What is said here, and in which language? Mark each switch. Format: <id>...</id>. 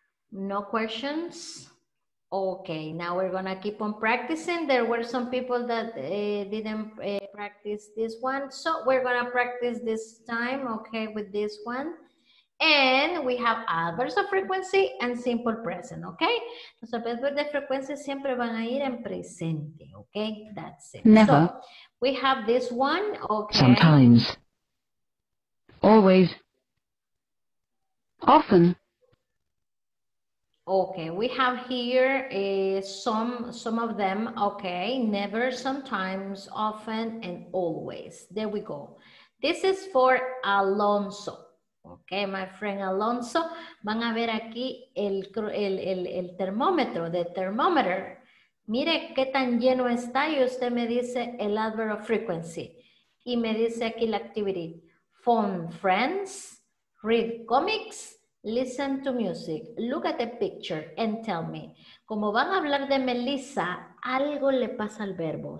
<en>No questions? Okay, now we're gonna keep on practicing. There were some people that didn't practice this one. So we're gonna practice this time, okay, with this one. And we have adverbs of frequency and simple present, okay?</en> <es>Los adverbios de frecuencia siempre van a ir en presente, okay?</es> <en>That's it. Never. So we have this one, okay? Sometimes. Always. Often. Okay, we have here some of them, okay? Never, sometimes, often, and always. There we go. This is for Alonso. Okay, my friend Alonso,</en> <es>van a ver aquí el termómetro,</es> <en>the thermometer.</en> <es>Mire qué tan lleno está y usted me dice el</es> <en>adverb of frequency.</en> <es>Y me dice aquí la activity.</es> <en>Phone friends, read comics, listen to music, look at the picture and tell me.</en> <es>Como van a hablar de Melissa, algo le pasa al verbo.</es>